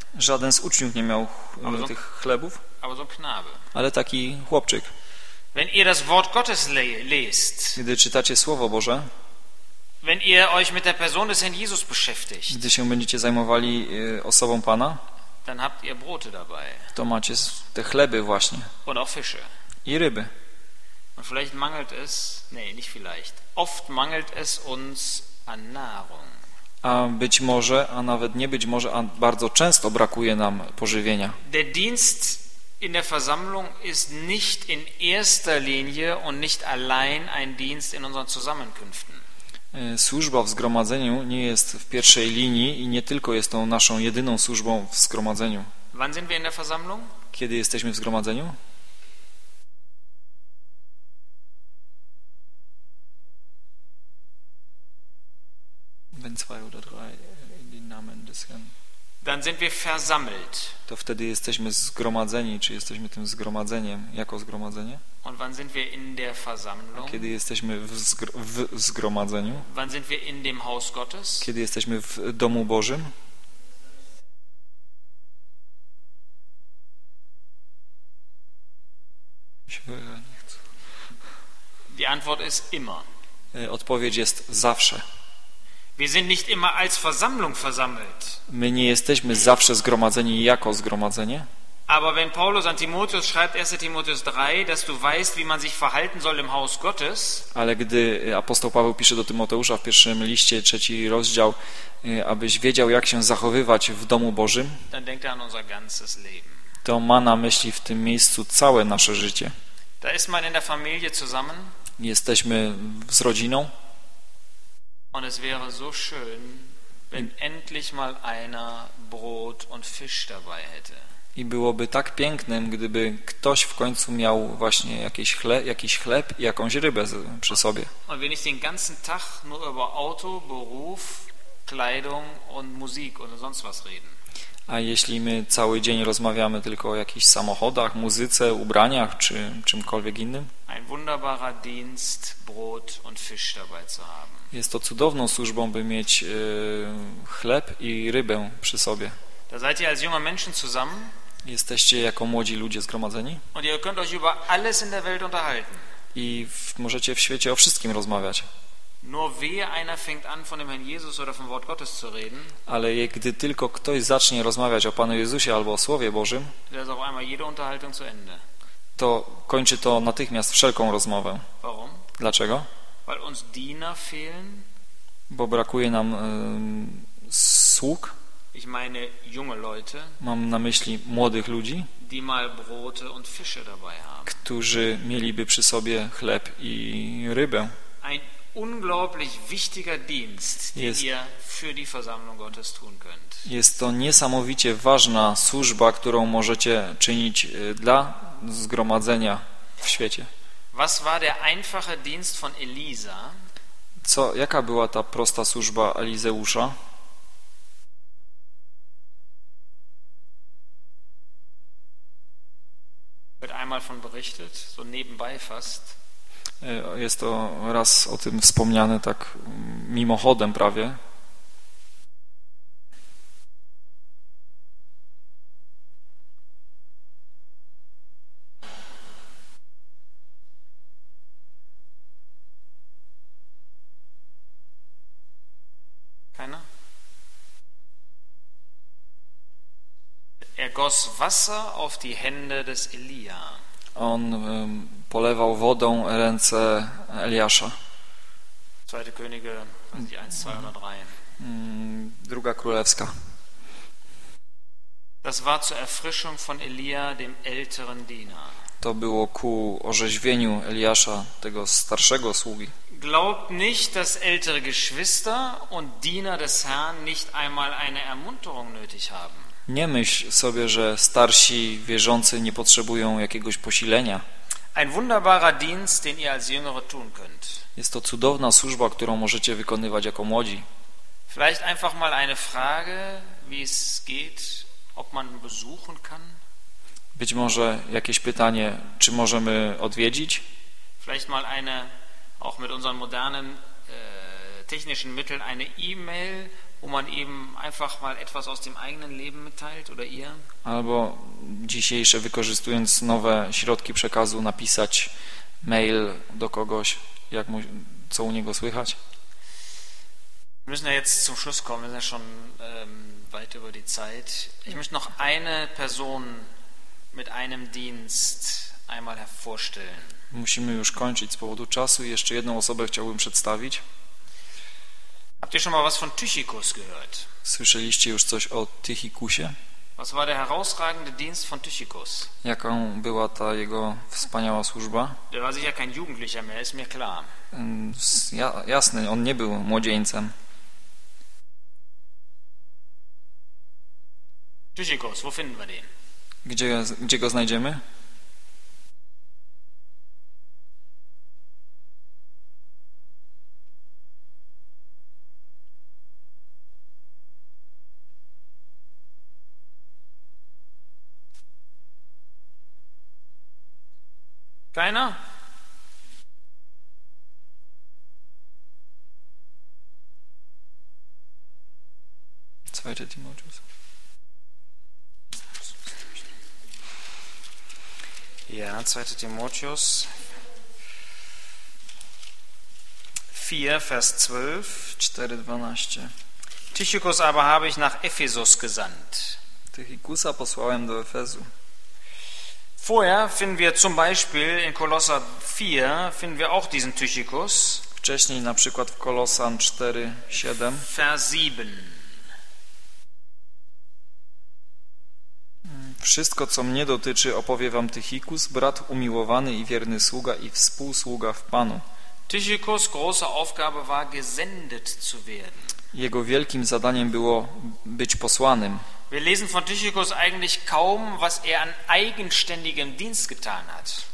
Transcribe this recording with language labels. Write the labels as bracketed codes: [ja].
[pl] Żaden z uczniów nie miał tych chlebów, ale taki chłopczyk. [de] Wenn ihr das Wort Gottes lest, [pl] gdy czytacie Słowo Boże, [de] wenn ihr euch mit der Person des Herrn Jesus beschäftigt, [pl] gdy się będziecie zajmowali osobą Pana, [de] dann habt ihr Brote dabei. [pl] To macie te chleby właśnie. [de] Und auch Fische. [pl] I ryby. [de] Und vielleicht mangelt es, nee, nicht vielleicht, oft mangelt es uns an Nahrung. [pl] A być może, a nawet nie być może, a bardzo często brakuje nam pożywienia. [de] Der Dienst in der Versammlung ist nicht in erster Linie und nicht allein ein Dienst in unseren Zusammenkünften. [pl] Służba w zgromadzeniu nie jest w pierwszej linii i nie tylko jest tą naszą jedyną służbą w zgromadzeniu. [de] Wann sind wir in der Versammlung? [pl] Kiedy jesteśmy w zgromadzeniu? [de] Wenn zwei oder drei in den Namen des Herrn. Dann sind wir versammelt. [pl] To wtedy jesteśmy zgromadzeni, czy jesteśmy tym zgromadzeniem, jako zgromadzenie? [de] Und wann sind wir in der Versammlung? [pl] Kiedy jesteśmy w zgromadzeniu? [de] Wann sind wir in dem Haus Gottes? [pl] Kiedy jesteśmy w domu Bożym? [de] Die Antwort ist immer. [pl] Odpowiedź jest zawsze. [de] Wir sind nicht immer als Versammlung versammelt. [pl] My nie jesteśmy zawsze zgromadzeni jako zgromadzenie. [de] Aber wenn Paulus an Timotheus schreibt, 1. Timotheus 3, dass du weißt, wie man sich verhalten soll im Haus Gottes. [pl] Ale gdy apostoł Paweł pisze do Tymoteusza w pierwszym liście, 3. rozdział, abyś wiedział, jak się zachowywać w domu Bożym, [de] dann denkt er an unser ganzes Leben. [pl] To ma na myśli w tym miejscu całe nasze życie. [de] Da ist man in der Familie zusammen. [pl] Jesteśmy z rodziną. [de] Und es wäre so schön, wenn endlich mal einer Brot und Fisch dabei hätte. [pl] I byłoby tak pięknym, gdyby ktoś w końcu miał właśnie jakiś chleb i jakąś rybę przy sobie. [de] Und wenn ich den ganzen Tag nur über Auto, Beruf, Kleidung und Musik oder sonst was reden. [pl] A jeśli my cały dzień rozmawiamy tylko o jakichś samochodach, muzyce, ubraniach czy czymkolwiek innym? [de] Ein wunderbarer Dienst, Brot und Fisch dabei zu haben. [pl] Jest to cudowną służbą, by mieć chleb i rybę przy sobie. [de] Da seid ihr als junge Menschen zusammen. [pl] Jesteście jako młodzi ludzie zgromadzeni. [de] Und ihr könnt euch über alles in der Welt unterhalten. [pl] I możecie w świecie o wszystkim rozmawiać. [de] Nur wehe einer fängt an, von dem Herrn Jesus oder vom Wort Gottes zu reden. [pl] Ale gdy tylko ktoś zacznie rozmawiać o Panu Jezusie albo o Słowie Bożym, [de] to jest auf einmal jede Unterhaltung zu Ende. [pl] To kończy to natychmiast wszelką rozmowę. [de] Warum? [pl] Dlaczego? [de] Weil uns Diener fehlen. [pl] Bo brakuje nam sług. [de] Ich meine junge Leute. [pl] Mam na myśli młodych ludzi. [de] Die mal Brote und Fische dabei haben. [pl] Którzy mieliby przy sobie chleb i rybę. [de] Ein unglaublich wichtiger Dienst, den ihr für die Versammlung Gottes tun könnt. [pl] Jest to niesamowicie ważna służba, którą możecie czynić dla zgromadzenia w świecie. [de] Was war der einfache Dienst von Elisa? [pl] Co, jaka była ta prosta służba Elizeusza? [de] Wird einmal von berichtet, so nebenbei fast. [pl] Jest to raz o tym wspomniane tak mimochodem prawie. [de] Keiner? Er goss Wasser auf die Hände des Elia. [pl] On polewał wodą ręce Eliasza. [de] Zweite Könige, 1, 2 oder 3. [pl] Druga Królewska. [de] Das war zur Erfrischung von Elia, dem älteren Diener. [pl] To było ku orzeźwieniu Eliasza, tego starszego sługi. [de] Glaubt nicht, dass ältere Geschwister und Diener des Herrn nicht einmal eine Ermunterung nötig haben. [pl] Nie myśl sobie, że starsi wierzący nie potrzebują jakiegoś posilenia. [de] Ein wunderbarer Dienst, den ihr als Jüngere tun könnt. [pl] Jest to cudowna służba, którą możecie wykonywać jako młodzi. [de] Vielleicht einfach mal eine Frage, wie es geht, ob man besuchen kann. [pl] Być może jakieś pytanie, czy możemy odwiedzić? [de] Vielleicht mal eine, auch mit unseren modernen technischen Mitteln, eine E-Mail, wo man eben einfach mal etwas aus dem eigenen Leben mitteilt oder ihr. [pl] Albo dzisiejsze, wykorzystując nowe środki przekazu, napisać mail do kogoś, jak mu, co u niego słychać. [de] Wir müssen ja jetzt zum Schluss kommen, wir sind ja schon weit über die Zeit. Ich möchte noch eine Person mit einem Dienst einmal hervorstellen. [pl] Musimy już kończyć z powodu czasu. Jeszcze jedną osobę chciałbym przedstawić. [de] Habt ihr schon mal was von Tychikus gehört? [pl] Słyszeliście już coś o Tychikusie? [de] Was war der herausragende Dienst von Tychikus? [pl] Jaką była ta jego wspaniała służba? [de] Der war sicher kein Jugendlicher mehr, ist mir klar. [pl] Jasne, on nie był młodzieńcem. [de] Tychikus, wo finden wir den? [pl] Gdzie go znajdziemy? [de] Keiner? Zweite Timotheus. Ja, zweite Timotheus. 4, Vers 12. [pl] 4, 12. [de] Tychikus aber habe ich nach Ephesus gesandt. [pl] Tychikusa posłałem do Efezu. [de] Vorher finden wir zum Beispiel in Kolosser 4 finden wir auch diesen Tychikus. [pl] Wcześniej na przykład w Kolosan 4, 7. [de] Vers 7. [pl] Wszystko, co mnie dotyczy, opowie wam Tychikus, brat umiłowany i wierny sługa i współsługa w Panu. [de] Tychikus' große Aufgabe war, gesendet zu werden. [pl] Jego wielkim zadaniem było być posłanym. [de] Wir lesen von Tychikus eigentlich kaum, was er an eigenständigem Dienst getan hat.